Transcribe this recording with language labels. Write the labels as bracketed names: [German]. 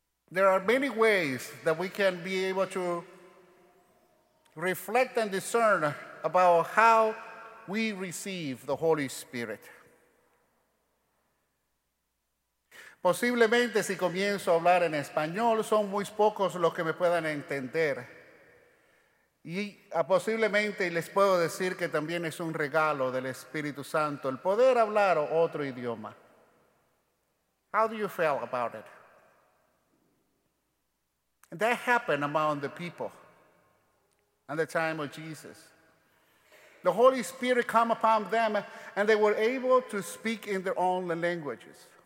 [English] There are many ways that we can be able to reflect and discern about how we receive the Holy Spirit. [Spanish] Posiblemente si comienzo a hablar en español, son muy pocos los que me puedan entender. Y posiblemente les puedo decir que también es un regalo del Espíritu Santo el poder hablar otro idioma. [English] How do you feel about it? That happened among the people at the time of Jesus. The Holy Spirit came upon them and they were able to speak in their own languages.